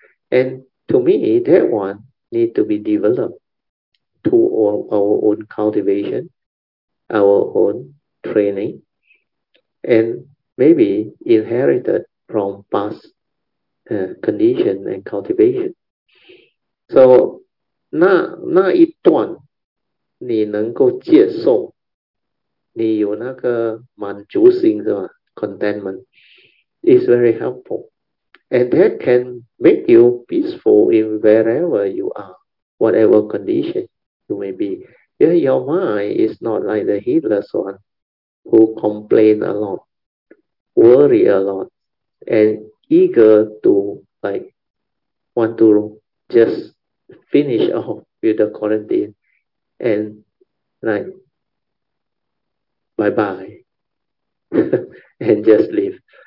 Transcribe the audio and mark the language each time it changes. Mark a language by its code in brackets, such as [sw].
[en] And to me, that one need to be developed to our own cultivation, our own training, and maybe inherited from past condition and cultivation. [zh] So, 那一段 你能够接受, 你有那个满足心是吧? [en] Contentment is very helpful. And that can make you peaceful in wherever you are, whatever condition you may be. Yeah, your mind is not like the heedless one who complain a lot, worry a lot, and eager to want to just finish off with the quarantine and bye bye and just leave.